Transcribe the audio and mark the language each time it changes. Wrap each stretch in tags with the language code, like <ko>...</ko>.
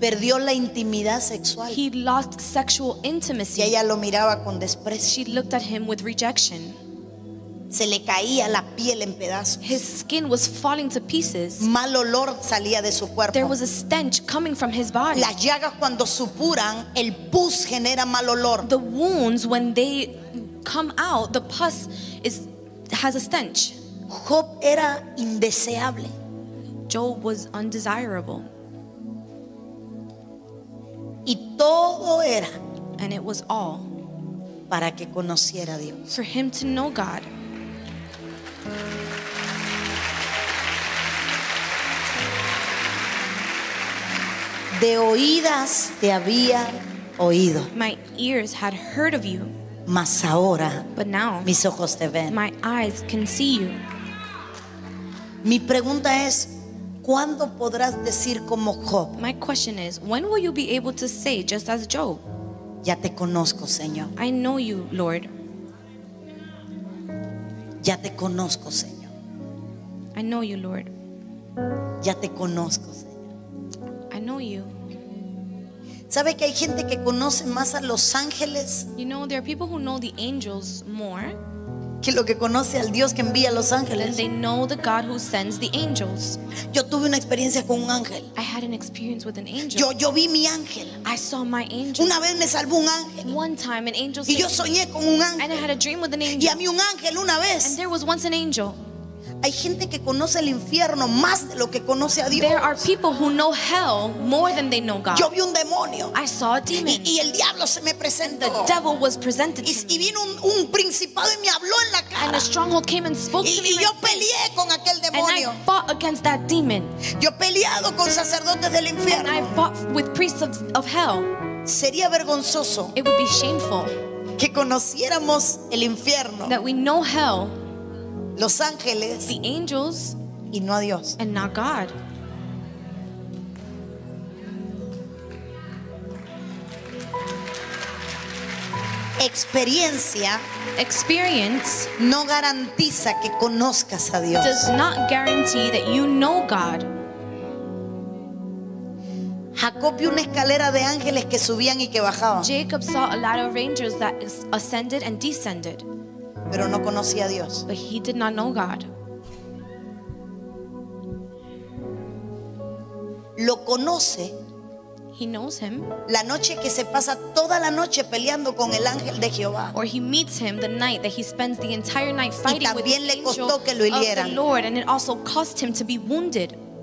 <es>Perdió la intimidad sexual.</es> <en>He lost sexual intimacy.</en> <es>Y ella lo miraba con desprecio.</es> <en>She looked at him with rejection.</en> <es>Se le caía la piel en pedazos.</es> <en>His skin was falling to pieces.</en> <es>Mal olor salía de su cuerpo.</es> <en>There was a stench coming from his body.</en> <es>Las llagas cuando supuran, el pus genera mal olor.</es> <en>The wounds when they come out, the pus is has a stench.</en> <es>Job era indeseable.</es> <en>Job was undesirable.</en> <es>Y todo era.</es> <en>And it was all.</en> <es>Para que conociera a Dios.</es> <en>For him to know God.</en> <es>De oídas te había oído.</es> <en>My ears had heard of you.</en> <es>Mas ahora,</es> <en>but now,</en> <es>mis ojos te ven.</es> <en>My eyes can see you.</en> <es>Mi pregunta es, ¿cuándo podrás decir como Job?</es> <en>My question is, when will you be able to say just as Job?</en> <es>Ya te conozco, Señor.</es> <en>I know you, Lord.</en> <es>Ya te conozco, Señor.</es> <en>I know you, Lord.</en> <es>Ya te conozco, Señor.</es> <en>I know you.</en> <es>¿Sabe que hay gente que conoce más a los ángeles?</es> <en>You know, there are people who know the angels more.</en> <es>Que lo que conoce al Dios que envía a los ángeles.</es> <en>They know the God who sends the angels.</en> <es>Yo tuve una experiencia con un ángel.</es> <en>I had an experience with an angel.</en> <es>Yo vi mi ángel.</es> <en>I saw my angel.</en> <es>Una vez me salvó un ángel.</es> <en>One time an angel.</en> <es>Y yo soñé con un ángel.</es> <en>And I had a dream with an angel.</en> <es>Y a mí un ángel una vez.</es> <en>And there was once an angel.</en> <es>Hay gente que conoce el infierno más de lo que conoce a Dios.</es> <en>There are people who know hell more than they know God.</en> <es>Yo vi un demonio.</es> <en>I saw a demon.</en> <es>Y el diablo se me presentó.</es> <en>The devil was presented to</en> <es>me. Y vino un principado y me habló en la cara.</es> <en>And a stronghold came and spoke to me.</en> <es>Y yo peleé con aquel demonio.</es> <en>And I fought against that demon.</en> <es>Yo he peleado con sacerdotes del infierno.</es> <en>And I fought with priests of hell.</en> <es>Sería vergonzoso.</es> <en>It would be shameful.</en> <es>que conociéramos el infierno,</es> <en>that we know hell,</en> <es>los ángeles,</es> <en>the angels,</en> <es>y no a Dios,</es> <en>and not God.</en> <es>Experiencia,</es> <en>experience,</en> <es>no garantiza que conozcas a Dios.</es> <en>Does not guarantee that you know God.</en> <es>Jacob vio una escalera de ángeles que subían y que bajaban.</es> <en>Jacob saw a ladder of angels that ascended and descended.</en> <es>Pero no conocía a Dios.</es> <en>But he did not know God.</en> <es>Lo conoce.</es> <en>He knows him.</en> <es>La noche que se pasa toda la noche peleando con el ángel de Jehová.</es> <en>Or he meets him the night that he spends the entire night fighting with the angel.</en> <es>Y también le costó que lo hirieran.</es> <en>Of the Lord, and it also cost him to be wounded.</en>